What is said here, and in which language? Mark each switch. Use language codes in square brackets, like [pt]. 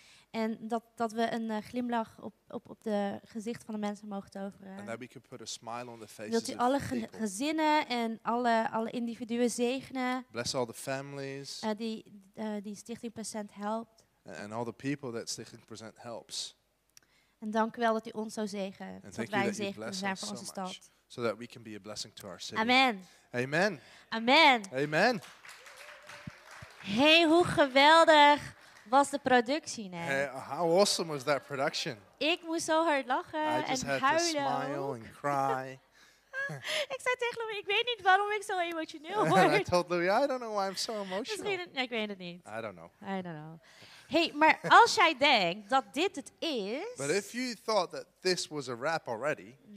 [nl] En dat we een glimlach op de gezicht van de mensen mogen toveren. [en] And that we can put a smile on the faces. [nl] Wilt u alle gezinnen en alle individuen zegenen. [en] Bless all the families. [nl] Die Stichting Present helpt. [en] And all the people that Stichting Present helps. [nl] En dank u wel dat u ons zo zegen. And dat wij zegen zijn voor onze stad. [en] So that we can be a blessing to our city. Amen. Amen. Amen. Amen. [nl] Hey, hoe geweldig was de productie, hè? [en] Hey, how awesome was that production? [nl] Ik moest zo hard lachen en huilen. [en] I just had to smile and cry. [nl] Ik zei tegen Louis, ik weet niet waarom ik zo emotioneel word. [en] I told Louis, I don't know why I'm so emotional. [nl] Ik weet het niet. [en] I don't know. I don't know. [nl] Hey, maar als jij denkt dat dit het is... [en] But if you thought that this was a wrap already...